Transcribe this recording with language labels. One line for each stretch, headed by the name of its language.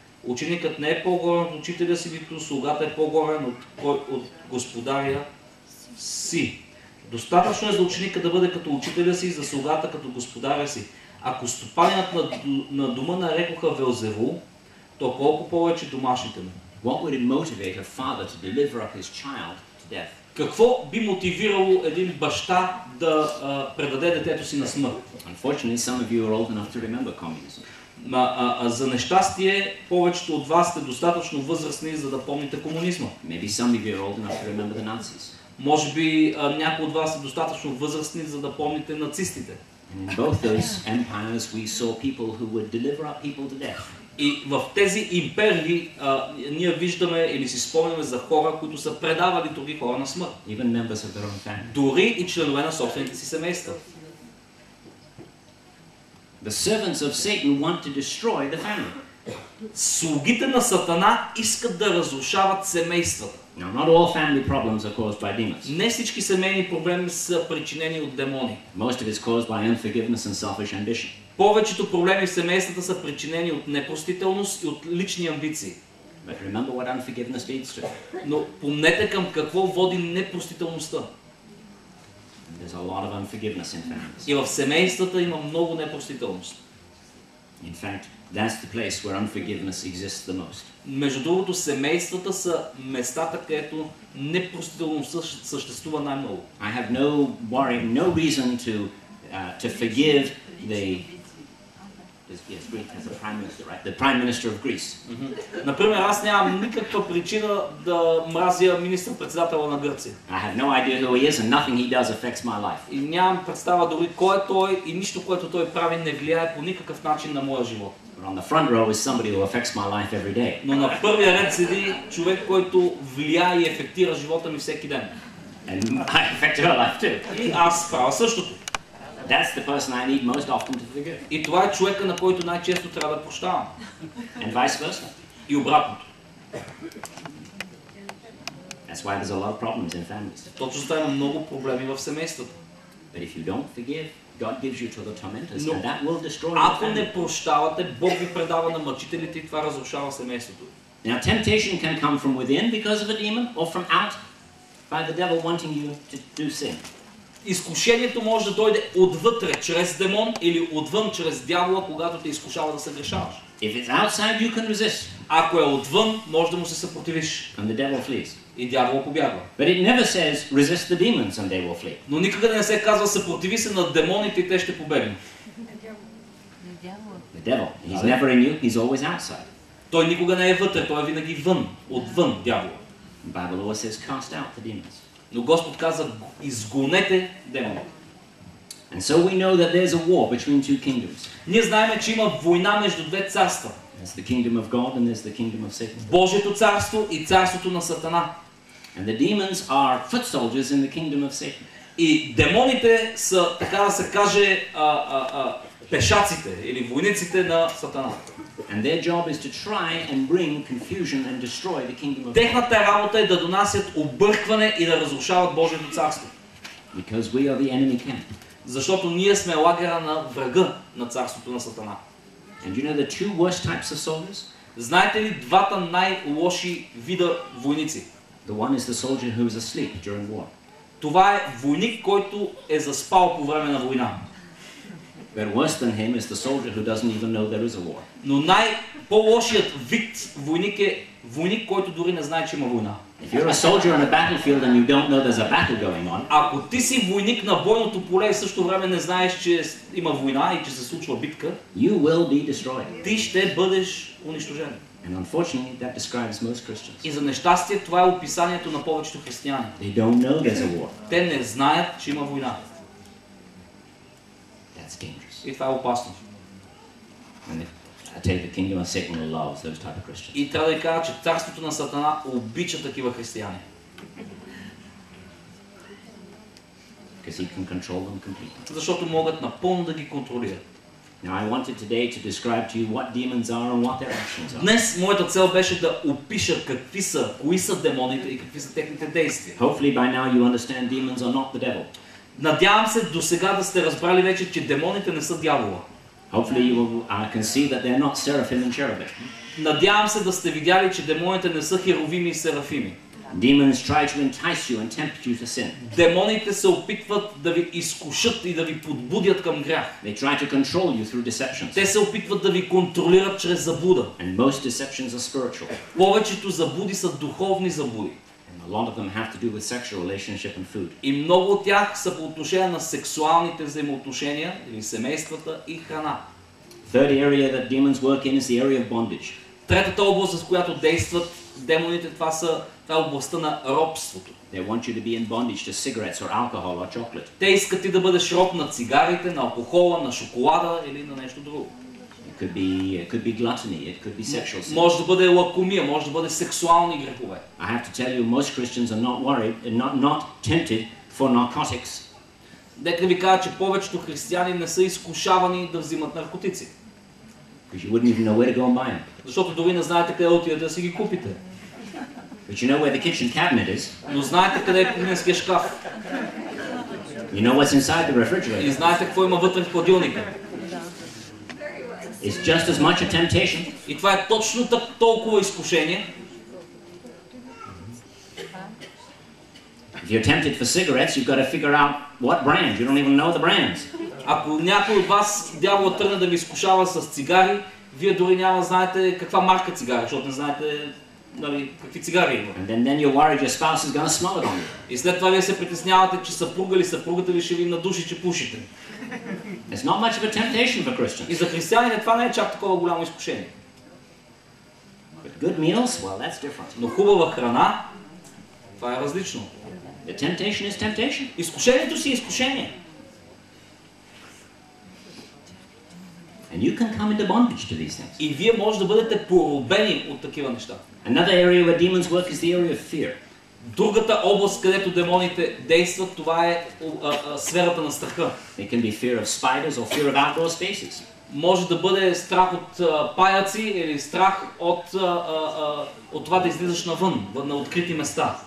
Bulgarian: Ученикът не е по-горен от учителя си, нито слугата е по-горен от господаря си. Достатъчно е за ученика да бъде като учителя си и за слугата като господаря си. Ако стопанят на дома нарекоха Велзевул, то колко повече домашните му.
English: What would it motivate a father to deliver up his child to death?
Bulgarian: Какво би мотивирало един баща да предаде детето си на смърт?
English: Unfortunately, some of you are old enough to remember communism.
Bulgarian: За нещастие, повечето от вас сте достатъчно възрастни, за да помните комунизма.
English: Maybe some of you are old enough to remember the Nazis.
Bulgarian: Може би някои от вас са достатъчно възрастни, за да помните нацистите.
English: In both those empires, we saw people who would deliver up people to death.
Bulgarian: И в тези империи ние виждаме или си спомняме за хора, които са предавали други хора на смърт.
English: Even members of their own family.
Bulgarian: Дори и членове на собствените си семейства.
English: The servants of Satan want to destroy the family.
Bulgarian: Слугите на Сатана искат да разрушават семействата.
English: Now, not all family problems are caused by demons.
Bulgarian: Не всички семейни проблеми са причинени от демони.
English: Most of it is caused by unforgiveness and selfish ambition.
Bulgarian: Повечето проблеми в семействата са причинени от непростителност и от лични амбиции.
English: But remember what unforgiveness leads to.
Bulgarian: Но помнете към какво води непростителността.
English: There's a lot of unforgiveness in families.
Bulgarian: И в семействата има много непростителност.
English: In fact, that's the place where unforgiveness exists the most.
Bulgarian: Между другото, семействата са местата, където непростителността съществува най-много.
English: I have no worry, no reason to forgive the Prime Minister of Greece.
Bulgarian: Например, аз нямам никаква причина да мразя министър-председателя на Гърция.
English: I have no idea who he is and nothing he does affects my life.
Bulgarian: И нямам представа дори кой е той и нищо, което той прави, не влияе по никакъв начин на моя живот.
English: But on the front row is somebody who affects my life every day.
Bulgarian: Но на първия ред седи човек, който влияе и ефектира живота ми всеки ден.
English: And I affect your life too.
Bulgarian: И аз правя същото.
English: That's the person I need most often to forgive.
Bulgarian: И това е човека, на който най-често трябва да прощавам.
English: And vice versa.
Bulgarian: И обратното.
English: That's why there's a lot of problems in families.
Bulgarian: Точно защото има много проблеми в семействата.
English: But if you don't forgive, God gives you to the tormentors, and that will destroy.
Bulgarian: Ако не прощавате, Бог ви предава на мъчителите и това разрушава семейството.
English: Now temptation can come from within because of a demon, or from out by the devil wanting you to do sin.
Bulgarian: Изкушението може да дойде отвътре чрез демон или отвън чрез дявола, когато те изкушава да се грешаваш.
English: If it's outside, you can resist.
Bulgarian: Ако е отвън, може да му се съпротивиш.
English: And the devil flees.
Bulgarian: И дявола побягва.
English: But it never says resist the demons and they will flee.
Bulgarian: Но никога не се казва съпротиви се на демоните и те ще побегнат.
English: The devil. He's never in you, he's always outside.
Bulgarian: Той никога не е вътре, той е винаги вън, отвън дявола.
English: Bible always says cast out the demons.
Bulgarian: Но Господ каза, изгонете демоните.
English: And so we know that there's a war between two kingdoms.
Bulgarian: Ние знаем, че има война между две царства.
English: There's the kingdom of God and there's the kingdom of Satan.
Bulgarian: Божието царство и царството на Сатана.
English: And the demons are foot soldiers in the kingdom of Satan.
Bulgarian: И демоните са, така да се каже, пешаците или войниците на Сатана.
English: And their job is to try and bring confusion and destroy the kingdom of God.
Bulgarian: Техната работа е да донасят объркване и да разрушават Божието царство.
English: Because we are the enemy camp.
Bulgarian: Защото ние сме лагера на врага на царството на Сатана.
English: And you know the two worst types of soldiers?
Bulgarian: Знаете ли двата най-лоши вида войници?
English: The one is the soldier who is asleep during war.
Bulgarian: Това е войник, който е заспал по време на война.
English: But worse than him is the soldier who doesn't even know there is a war.
Bulgarian: Но най-по-лошият вид войник е войник, който дори не знае, че има война.
English: If you're a soldier on a battlefield and you don't know there's a battle going on.
Bulgarian: Ако ти си войник на бойното поле и в същото време не знаеш, че има война и че се случва битка,
English: you will be destroyed.
Bulgarian: Ти ще бъдеш унищожен.
English: And unfortunately, that describes most Christians.
Bulgarian: И за нещастие, това е описанието на повечето християни.
English: They don't know there's a war.
Bulgarian: Те не знаят, че има война.
English: That's dangerous.
Bulgarian: И това е опасно.
English: I tell you, the kingdom of Satan loves those type of Christians.
Bulgarian: И трябва да кажа, че царството на Сатана обича такива християни.
English: Because he can control them completely.
Bulgarian: Защото могат напълно да ги контролират.
English: Now I wanted today to describe to you what demons are and what their actions are.
Bulgarian: Днес моята цел беше да опиша какви са, кои са демоните и какви са техните действия.
English: Hopefully by now you understand demons are not the devil.
Bulgarian: Надявам се до сега да сте разбрали вече, че демоните не са дявола.
English: Hopefully you will, can see that they're not seraphim and cherubim.
Bulgarian: Надявам се да сте видяли, че демоните не са херовими и серафими.
English: Demons try to entice you and tempt you to sin.
Bulgarian: Демоните се опитват да ви изкушат и да ви подбудят към грях.
English: They try to control you through deceptions.
Bulgarian: Те се опитват да ви контролират чрез заблуда.
English: And most deceptions are spiritual.
Bulgarian: Повечето заблуди са духовни заблуди.
English: A lot of them have to do with sexual relationship and food.
Bulgarian: И много от тях са по отношение на сексуалните взаимоотношения или семействата и храна.
English: Third area that demons work in is the area of bondage.
Bulgarian: Третата област, с която действат демоните, това е областта на робството.
English: They want you to be in bondage to cigarettes or alcohol or chocolate.
Bulgarian: Те искат ти да бъдеш роб на цигарите, на алкохола, на шоколада или на нещо друго.
English: It could be gluttony, it could be sexual sin.
Bulgarian: Може да бъде лакомия, може да бъде сексуални грехове.
English: I have to tell you, most Christians are not worried and not tempted for narcotics.
Bulgarian: Нека ви кажа, че повечето християни не са изкушавани да взимат наркотици.
English: Because you wouldn't even know where to go and buy them.
Bulgarian: Защото дори не знаете къде отидете да си ги купите.
English: But you know where the kitchen cabinet is.
Bulgarian: Но знаете къде е кухненския шкаф.
English: You know what's inside the refrigerator.
Bulgarian: И знаете какво има вътре в хладилника.
English: It's just as much a temptation.
Bulgarian: И това е точно толкова изкушение.
English: If you're tempted for cigarettes, you've got to figure out what brand. You don't even know the brands.
Bulgarian: Ако някой от вас дявол тръгне да ви изкушава с цигари, вие дори няма знаете каква марка цигари, защото не знаете какви цигари има.
English: And then you're worried your spouse is going to smell it on you.
Bulgarian: И след това вие се притеснявате, че съпруга или съпругата ви ще ви надуши, че пушите.
English: It's not much of a temptation for Christians.
Bulgarian: И за християните това не е чак такова голямо изкушение.
English: But good meals, well, that's different.
Bulgarian: Но хубава храна, това е различно.
English: The temptation is temptation.
Bulgarian: Изкушението си е изкушение.
English: And you can come into bondage to these things.
Bulgarian: И вие може да бъдете поробени от такива неща.
English: Another area where demons work is the area of fear.
Bulgarian: Другата област, където демоните действат, това е сферата на страха.
English: It can be fear of spiders or fear of outdoor spaces.
Bulgarian: Може да бъде страх от паяци или страх от това да излизаш навън, на открити места.